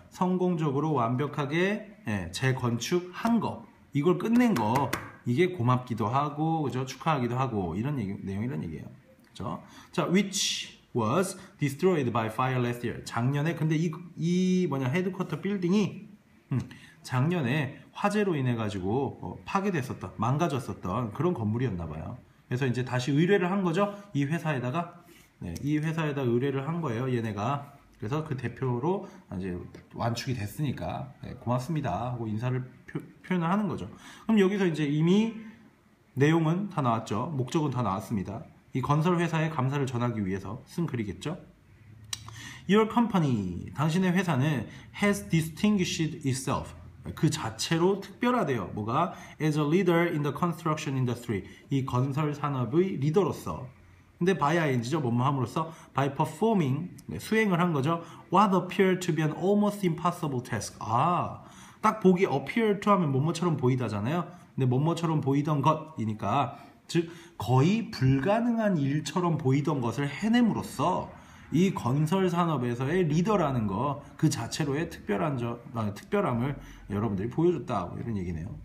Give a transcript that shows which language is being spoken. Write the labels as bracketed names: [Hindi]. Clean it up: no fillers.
[Korean] 성공적으로 완벽하게 예, 재건축한 거, 이걸 끝낸 거, 이게 고맙기도 하고 그죠? 축하하기도 하고 이런 얘기, 내용 이런 얘기예요. 그죠? [English] 자, which was destroyed by fire last year. [Korean] 작년에 근데 이 뭐냐 헤드쿼터 빌딩이 작년에 화재로 인해 가지고 파괴됐었던, 망가졌었던 그런 건물이었나 봐요. 그래서 이제 다시 의뢰를 한 거죠. 이 회사에다가 네, 이 회사에다 의뢰를 한 거예요. 얘네가. 그래서 그 대표로 이제 완축이 됐으니까 네, 고맙습니다 하고 인사를 표현을 하는 거죠. 그럼 여기서 이제 이미 내용은 다 나왔죠. 목적은 다 나왔습니다. 이 건설 회사에 감사를 전하기 위해서 쓴 글이겠죠. [English] Your company, [Korean] 당신의 회사는 [English] has distinguished itself, [Korean] 그 자체로 특별하대요. 뭐가? [English] As a leader in the construction industry, [Korean] 이 건설 산업의 리더로서. 근데 [English] by ing죠. [Korean] 뭐뭐함으로써 [English] by performing, [Korean] 네, 수행을 한 거죠. [English] What appeared to be an almost impossible task. [Korean] 아, 딱 보기 appear to 하면 뭐뭐처럼 보이다잖아요. 근데 뭐뭐처럼 보이던 것이니까, 즉 거의 불가능한 일처럼 보이던 것을 해냄으로써 이 건설 산업에서의 리더라는 거 그 자체로의 특별한 특별함을 여러분들이 보여줬다 이런 얘기네요.